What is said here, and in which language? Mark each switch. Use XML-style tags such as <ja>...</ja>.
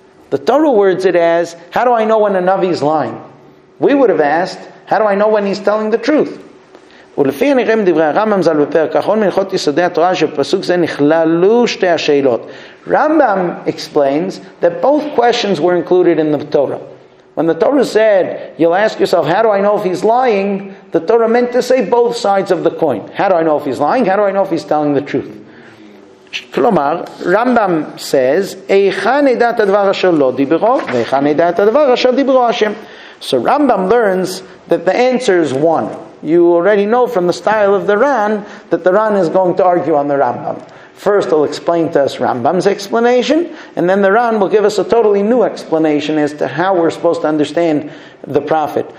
<en>The Torah words it as, how do I know when a Navi is lying? We would have asked, how do I know when he's telling the truth?</en> <he>ולפי הנראה מדברי הרמב״ם זל בפרק האחרון מלכות יסודי התורה שפסוק זה נכללו שתי השאלות.</he> <en>Rambam explains that both questions were included in the Torah. When the Torah said, you'll ask yourself, how do I know if he's lying? The Torah meant to say both sides of the coin. How do I know if he's lying? How do I know if he's telling the truth?</en> <he>כלומר,</he> <en>Rambam says,</en> <he>איכן נדע את הדבר אשר לא דיברו, ואיכן נדע את הדבר אשר דיברו השם.</he> <en>So Rambam learns that the answer is one. You already know from the style of the Ran that the Ran is going to argue on the Rambam. First, he'll explain to us Rambam's explanation, and then the Ran will give us a totally new explanation as to how we're supposed to understand the prophet.</en>